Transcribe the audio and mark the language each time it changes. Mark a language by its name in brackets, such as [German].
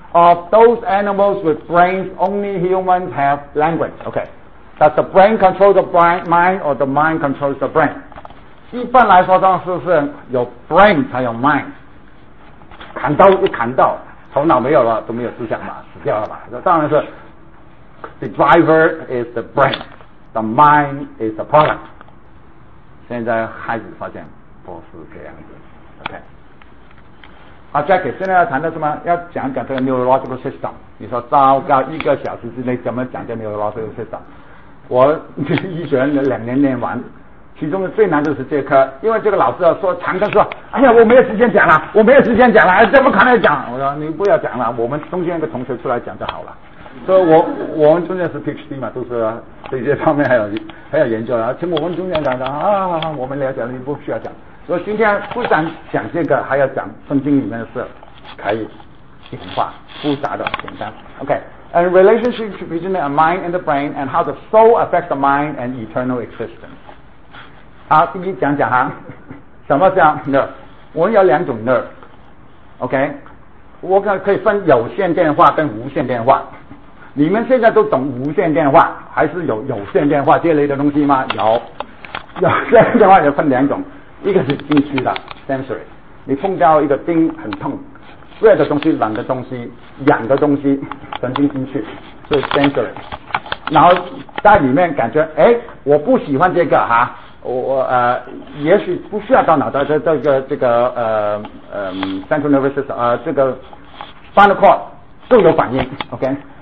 [English] of those animals with brains only humans have language OK does the brain control the brain, mind or the mind controls the brain， [Chinese] 一般来说当时是有 brain 才有 mind， 砍刀一砍到头脑没有了都没有思想嘛，死掉了吧，当然是 [English] The driver is the brain, the mind is the product。 [Chinese] 现在孩子发现不是这样子 OK 好 Jackie 现在要谈的什么，要讲讲这个 neurological system， 你说糟糕一个小时之内怎么讲这个 neurological system，我医学院两年念完，其中最难就是这科，因为这个老师说常常说哎呀我没有时间讲了，我没有时间讲了，怎么可能讲，我说你不要讲了，我们中间一个同学出来讲就好了，所以我们中间是 PhD 嘛，都是对这方面还有研究的，请我们中间讲讲啊，我们了解了，你不需要讲。所以今天不但讲这个，还要讲圣经里面的事，可以简化、复杂的、简单。 [English] OK， and relationship between the mind and the brain and how the soul affects the mind and eternal existence。 [Chinese] 好，第一讲讲哈，什么叫 nerve？ 我们有两种 nerve。 OK， 我可以分有线电话跟无线电话。你们现在都懂无线电话还是有线电话这类的东西吗？有，有线电话有分两种，一个是进去的 sensory， 你碰到一个钉很痛，热的东西、冷的东西、痒的东西，神经进去，所以 sensory， 然后在里面感觉哎，我不喜欢这个哈，我也许不需要到脑袋，这个 central nervous system 这个 spinal cord 都有反应 OK。